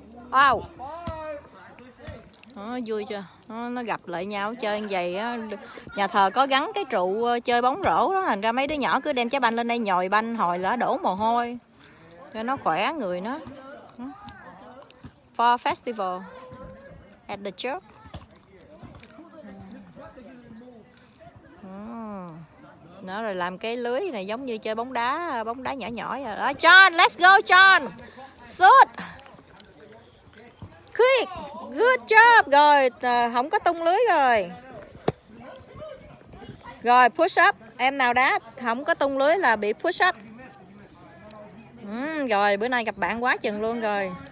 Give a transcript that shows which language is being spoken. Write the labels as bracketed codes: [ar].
[vi] Wow. Nó vui chưa, nó gặp lại nhau chơi như vậy á. Nhà thờ có gắn cái trụ chơi bóng rổ đó, thành ra mấy đứa nhỏ cứ đem trái banh lên đây nhồi banh hồi là đổ mồ hôi cho nó khỏe người nó. [en] Fall festival at the church. [vi] Nó rồi làm cái lưới này giống như chơi bóng đá nhỏ nhỏ vậy đó. [en] John, let's go John, shoot quick. Good job, [vi] rồi không có tung lưới rồi. Rồi push up, em nào đá không có tung lưới là bị push up. Rồi bữa nay gặp bạn quá chừng luôn rồi.